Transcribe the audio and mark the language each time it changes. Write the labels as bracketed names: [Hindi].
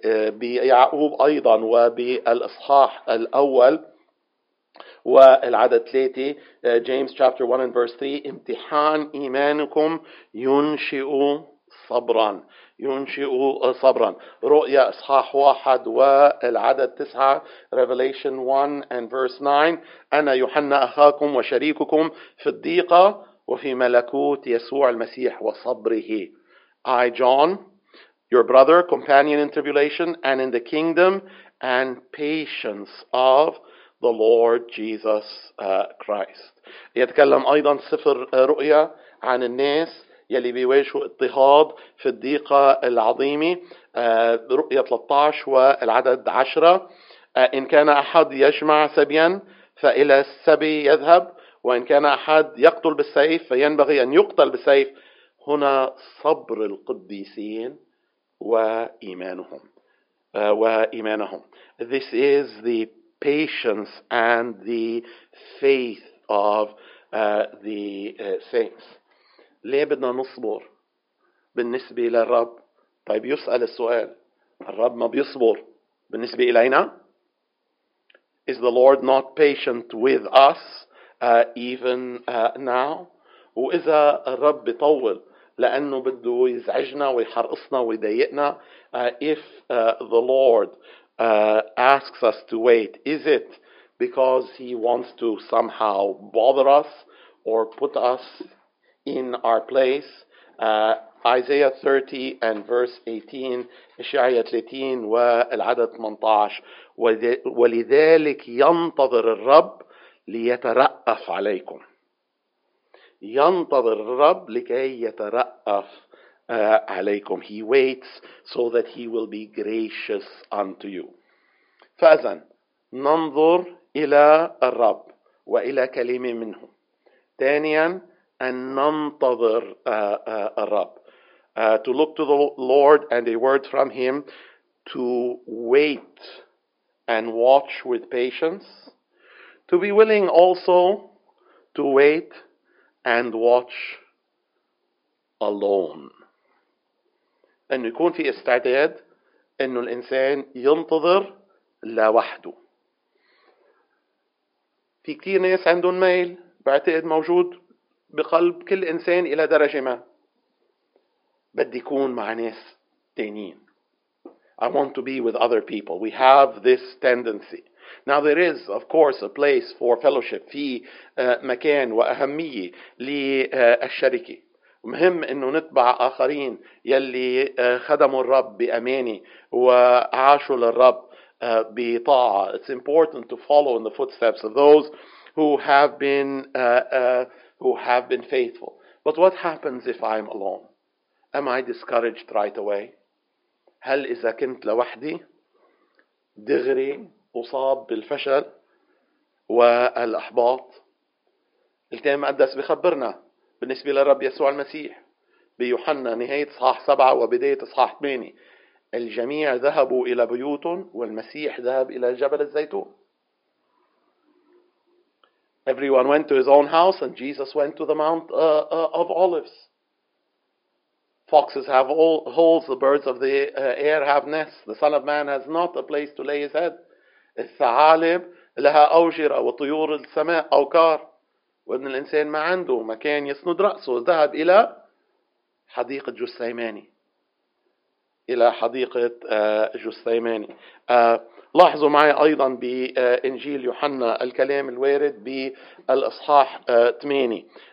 [Arabic] بيعقوب أيضا وبالإصحاح الأول والعدد 3, [English] James chapter 1 and verse 3, [Arabic] امتحان إيمانكم ينشئ صبرا. ينشئ صبرا. رؤيا إصحاح 1 والعدد 9, [English] Revelation 1 and verse 9, [Arabic] أنا يوحنا أخاكم وشريككم في الضيقة وفي ملكوت يسوع المسيح وصبره. [English] I, John, your brother, companion in tribulation and in the kingdom and patience of the Lord Jesus Christ. [Arabic] يتكلم أيضا سفر رؤيا عن الناس يلي بيواجهوا اضطهاد في الضيقة العظيمة. رؤيا 13 والعدد 10. إن كان أحد يجمع سبيا فإلى السبي يذهب, وإن كان أحد يقتل بالسيف فينبغي أن يقتل بالسيف. هنا صبر القديسين وإيمانهم. وإيمانهم. [English] This is the patience and the faith of the saints. [Arabic] ليه بدنا نصبر بالنسبة للرب؟ طيب يسأل السؤال, الرب ما بيصبر بالنسبة إلينا؟ [English] Is the Lord not patient with us even now? [Arabic] وإذا الرب بيطول لأنه بده يزعجنا ويحرقصنا ويضايقنا, [English] if the Lord asks us to wait, is it because he wants to somehow bother us or put us in our place? Isaiah 30 and verse 18, Isaiah 30 [Arabic] والعدد 18, ولذلك ينتظر الرب ليترأف عليكم. ينتظر الرب لكي يترأف عليكم. [English] He waits so that he will be gracious unto you. [Arabic] فأذن ننظر إلى الرب وإلى كلمة منه. ثانيا أن ننتظر الرب. [English] To look to the Lord and a word from him, to wait and watch with patience, to be willing also to wait and watch alone. [Arabic] أن يكون في استعداد أن الإنسان ينتظر لوحده. في كتير ناس عندهم ميل, بعتقد موجود بقلب كل إنسان إلى درجة ما, بدي يكون مع ناس تانين. [English] I want to be with other people. We have this tendency. Now there is of course a place for fellowship, [Arabic] في مكان وأهمية للشركة. مهم أنه نتبع آخرين يلي خدموا الرب بأمانة وعاشوا للرب بطاعة. [English] It's important to follow in the footsteps of those who have been faithful. But what happens if I'm alone? Am I discouraged right away? [Arabic] هل إذا كنت لوحدي دغري أصاب بالفشل والإحباط؟ الكتاب المقدس بخبرنا بالنسبة للرب يسوع المسيح بيوحنا نهاية إصحاح 7 وبداية إصحاح 8, الجميع ذهبوا إلى بيوتهم والمسيح ذهب إلى جبل الزيتون. [English] Everyone went to his own house, and Jesus went to the Mount of Olives. Foxes have holes, the birds of the air have nests. The Son of Man has not a place to lay his head. [Arabic] الثعالب لها أوجرة وطيور السماء أوكار. وإن الإنسان ما عنده مكان يسند رأسه ذهب إلى حديقة جثيماني. إلى حديقة جثيماني. لاحظوا معي أيضا بإنجيل يوحنا الكلام الوارد بالإصحاح 8.